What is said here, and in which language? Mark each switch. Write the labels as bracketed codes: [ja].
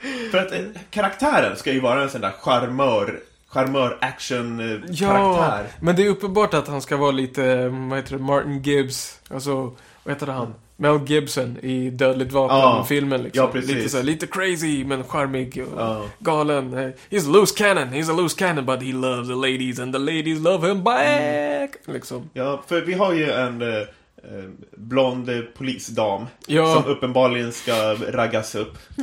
[sv] För att karaktären ska ju vara en sån där charmör action karaktär. Ja, men det är uppenbart att han ska vara lite, vad heter det, Martin Gibbs. Alltså, vad heter det han? Mel Gibson i Dödligt vapen-filmen liksom. Ja, precis. Lite så här, lite crazy men charmig och galen. [en] He's a loose cannon. He's a loose cannon but he loves the ladies and the ladies love him back liksom. [sv] Ja, för vi har ju en blond polisdam som uppenbarligen ska raggas upp.